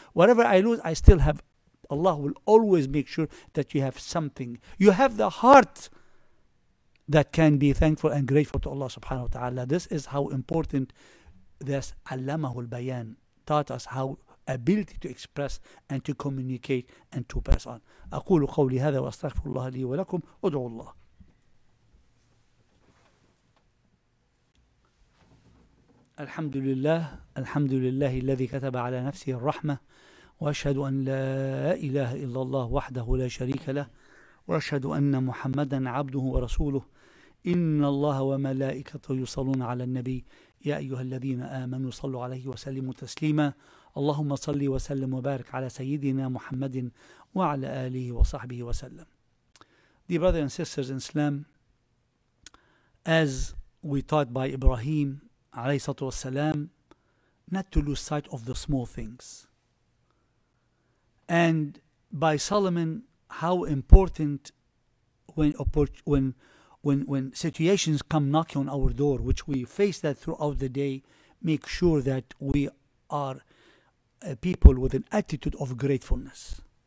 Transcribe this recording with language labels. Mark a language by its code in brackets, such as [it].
[en] Whatever I lose, I still have. Allah will always make sure that you have something. You have the heart that can be thankful and grateful to Allah subhanahu wa ta'ala. This is how important this 'allamahu al-bayan taught us how ability to express and to communicate and to pass on. [ar] أقول قولي هذا وأستغفر الله لي ولكم أدعو الله. الحمد لله، الحمد لله الذي كتب على نفسه الرحمة، وأشهد أن لا إله إلا الله وحده لا شريك له، وأشهد أن محمدا عبده ورسوله. إن الله وملائكته يصلون على النبي، يا أيها الذين آمنوا صلوا عليه وسلموا تسليما. اللهم صل وسلم وبارك على سيدنا محمد وعلى آله وصحبه وسلم. [en] Dear brothers and sisters in Islam, as we taught by Ibrahim [ar] عليه الصلاة والسلام, [en] not to lose sight of the small things. And by Solomon, how important when situations come knocking on our door, which we face that throughout the day, make sure that we are people with an attitude of gratefulness.